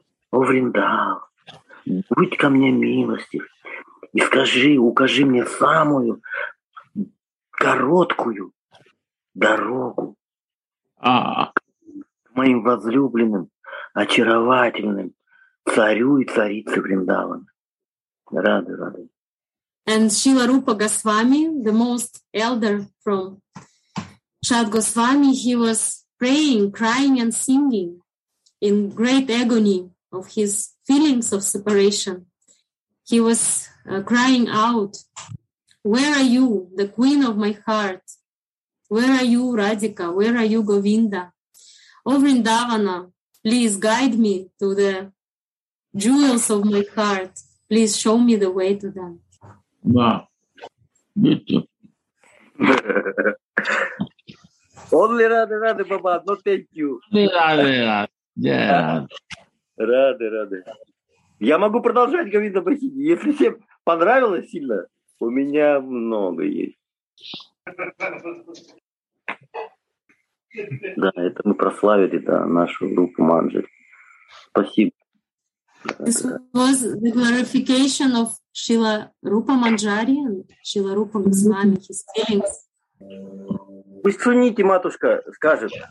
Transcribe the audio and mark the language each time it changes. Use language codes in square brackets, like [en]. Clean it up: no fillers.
[ru] О Вриндаван, будь ко мне милостив. И скажи, укажи мне самую короткую дорогу к моим возлюбленным, очаровательным царю и царице Вриндавана. Рады, рады. [en] And Srila Rupa Goswami, the most elder from Shat Goswami, he was praying, crying and singing in great agony of his feelings of separation. He was crying out, where are you, the queen of my heart? Where are you, Radhika? Where are you, Govinda? O Vrindavana, please guide me to the jewels of my heart. Please show me the way to them. Wow. Only Radhe, Radhe, Baba, no thank you. Radhe, Radhe. Radhe, Radhe. [ru] Я могу продолжать, Говинда Бахини. Если всем понравилось сильно, у меня много есть. Да, это мы прославили, да, нашу группу Манджи. Спасибо. [en] This was the glorification of Srila Rupa Manjari and Srila Rupa Goswami, his feelings. [ru] Пусть Суннити, матушка, скажет.